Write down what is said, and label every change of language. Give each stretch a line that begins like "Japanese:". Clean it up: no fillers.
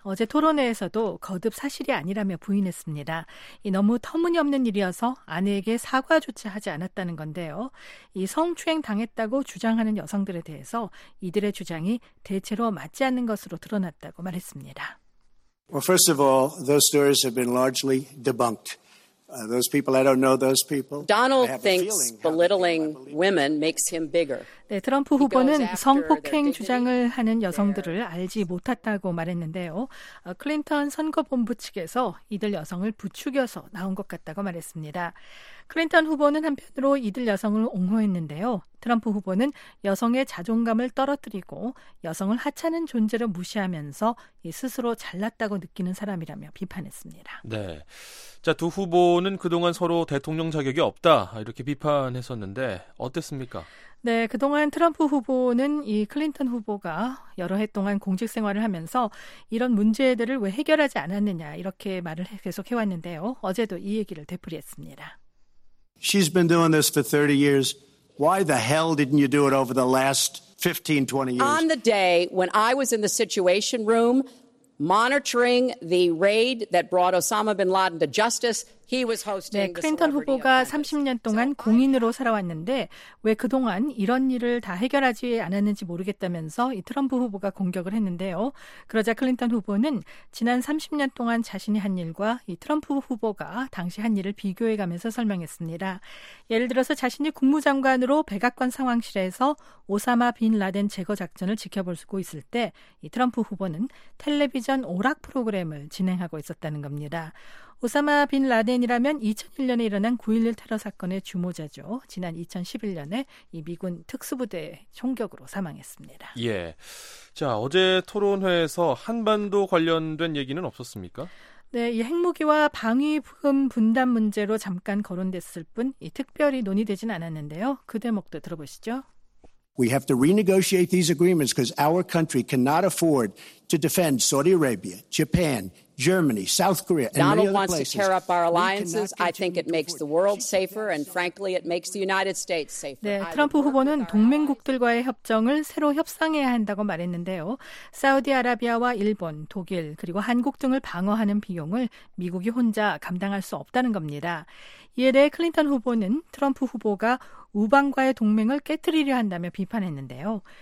Korean: 어제 토론회에서도 거듭 사실이 아니라며 부인했습니다. 이 너무 터무니없는 일이어서 아내에게 사과조차 하지 않았다는 건데요. 이 성추행 당했다고 주장하는 여성들에 대해서 이들의 주장이 대체로 맞지 않는 것으로 드러났다고 말했습니다.
English: Well, first of all, those stories have been largely debunked. Those people, I don't know those people. Donald thinks belittling women makes him bigger.
Korean: 네, 트럼프 후보는 성폭행 주장을 하는 여성들을 알지 못했다고 말했는데요. 클린턴 선거본부 측에서 이들 여성을 부추겨서 나온 것 같다고 말했습니다. 클린턴 후보는 한편으로 이들 여성을 옹호했는데요. 트럼프 후보는 여성의 자존감을 떨어뜨리고 여성을 하찮은 존재로 무시하면서 스스로 잘났다고 느끼는 사람이라며 비판했습니다. 네. 자, 두 후보는 그동안 서로 대통령 자격이 없다 이렇게 비판했었는데 어땠습니까? 네, 그동안 트럼프 후보는 이 클린턴 후보가 여러 해 동안 공직 생활을 하면서 이런 문제들을 왜 해결하지 않았느냐 이렇게 말을 계속 해왔는데요. 어제도 이 얘기를 되풀이했습니다.
English: She's been doing this for 30 years. Why the hell didn't you do it over the last 15, 20 years? On the day when I was in the Situation Room monitoring the raid that brought Osama bin Laden to justice, he was hosting the
Korean: 네, 클린턴 후보가 30년 동안 공인으로 살아왔는데 왜 그동안 이런 일을 다 해결하지 않았는지 모르겠다면서 이 트럼프 후보가 공격을 했는데요. 그러자 클린턴 후보는 지난 30년 동안 자신이 한 일과 이 트럼프 후보가 당시 한 일을 비교해가면서 설명했습니다. 예를 들어서 자신이 국무장관으로 백악관 상황실에서 오사마 빈 라덴 제거 작전을 지켜볼 수 있을 때 이 트럼프 후보는 텔레비전 오락 프로그램을 진행하고 있었다는 겁니다. 오사마 빈 라덴이라면 2001년에 일어난 9.11 테러 사건의 주모자죠. 지난 2011년에 이 미군 특수부대 총격으로 사망했습니다. 예. 자, 어제 토론회에서 한반도 관련된 얘기는 없었습니까? 네, 이 핵무기와 방위품 분담 문제로 잠깐 거론됐을 뿐 이 특별히 논의되진 않았는데요. 그 대목도 들어보시죠.
English: We have to renegotiate these agreements because our country cannot afford to defend Saudi Arabia, Japan, Germany, South Korea, and Donald many other wants places. To tear up our alliances. I think it makes the world safer, and frankly, it makes the United States safer.
Korean: 네, 트럼프 후보는 동맹국들과의 협정을 새로 협상해야 한다고 말했는데요. 사우디아라비아와 일본, 독일, 그리고 한국 등을 방어하는 비용을 미국이 혼자 감당할 수 없다는 겁니다. 이에 대해 클린턴 후보는 트럼프 후보가 우방과의 동맹을 깨뜨리려 한다며 비판했는데요.